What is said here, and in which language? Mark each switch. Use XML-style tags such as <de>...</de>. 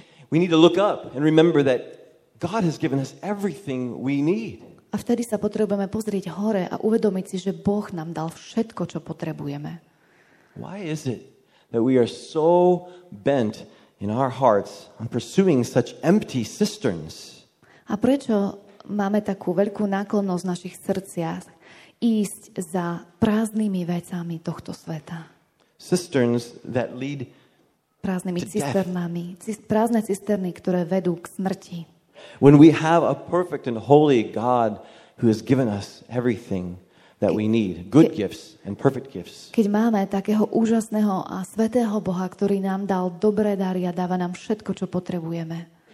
<en>We need to look up and remember that God has given us everything we need.</en> <sk>A vtedy sa potrebujeme pozrieť hore a uvedomiť si, že Boh nám dal všetko, čo potrebujeme.</sk> <en>Why is it that we are so bent in our hearts on pursuing such empty cisterns?</en> <sk>A prečo máme takú veľkú náklonnosť v našich srdciach ísť za prázdnymi vecami tohto sveta?</sk> <en>Cisterns that lead</en> <sk>prázdnymi cisternami, prázdne cisterny, ktoré vedú k smrti.</sk> <en>When we have a perfect and holy God who has given us everything that we need, good gifts and perfect gifts.</en> <sk>Keď máme takého úžasného a svätého Boha, ktorý nám dal dobré dary a dáva nám všetko, čo potrebujeme.</sk>